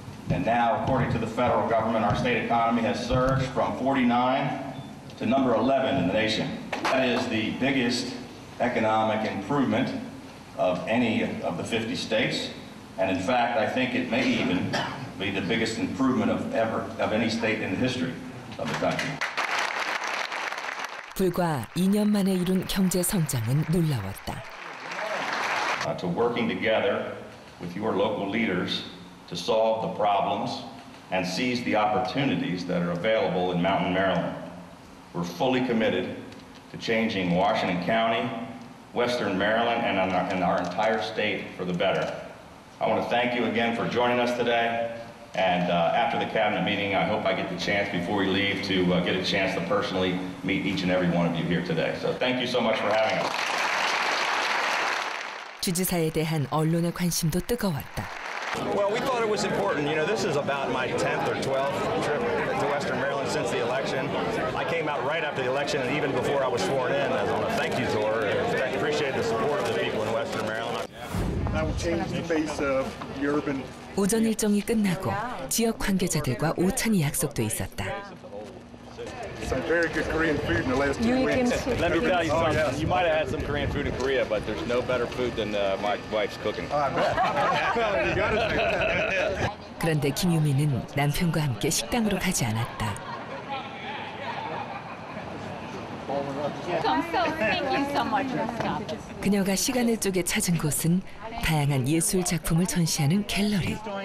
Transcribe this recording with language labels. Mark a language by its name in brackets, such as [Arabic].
[English] And now, according to the federal government, our state economy has surged from 49 to number 11 in the nation. That is the biggest economic improvement of any of the 50 states. And in fact, I think it may even be the biggest improvement of any state in the history of the country. [Korean] 불과 2년 만에 이룬 경제 성장은 놀라웠다. [English] To working together with your local leaders to solve the problems and seize the opportunities that are available in Mountain Maryland. We're fully committed to changing Washington County, Western Maryland, and our entire state for the better. I want to thank you again for joining us today. And after the cabinet meeting, I hope I get the chance before we leave to get a chance to personally meet each and every one of you here today. So thank you so much for having us. [Korean] 주지사에 대한 언론의 관심도 뜨거웠다. [English] Well, we thought it was important. You know, this is about my 10th or 12th trip to Western Maryland since the election. I came out right after the election, and even before I was sworn in, as on a thank you tour. I appreciate the support of the people in Western Maryland. That will change the face of the urban. [Korean] 오전 일정이 끝나고 지역 관계자들과 오찬이 약속도 있었다. [English] Some very good Korean food in the last two weeks. Let me tell you something. Oh, yes. You might have had some Korean food in Korea, but there's no better food than my wife's cooking. Oh, I bet. [Korean] 그런데 김유미는 남편과 함께 식당으로 가지 않았다. [English] Thank you so much. [Korean] 그녀가 시간을 쪼개 찾은 곳은 다양한 예술 작품을 전시하는 갤러리.